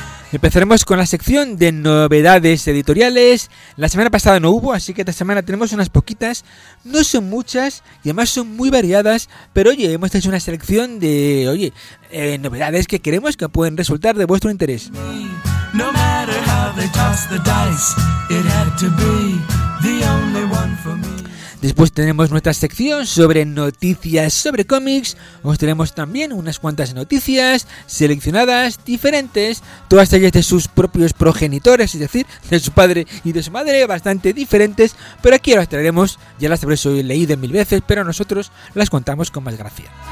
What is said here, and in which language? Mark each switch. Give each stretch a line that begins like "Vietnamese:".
Spanish: Empezaremos con la sección de novedades editoriales. La semana pasada no hubo, así que esta semana tenemos unas poquitas. No son muchas y además son muy variadas, pero oye, hemos hecho una selección de novedades que creemos que pueden resultar de vuestro interés.
English: No matter how they toss the dice, it had to be the only one for me.
Spanish: Después tenemos nuestra sección sobre noticias sobre cómics. Os tenemos también unas cuantas noticias seleccionadas, diferentes, todas ellas de sus propios progenitores, es decir, de su padre y de su madre, bastante diferentes, pero aquí las traeremos, ya las habréis leído mil veces, pero nosotros las contamos con más gracia.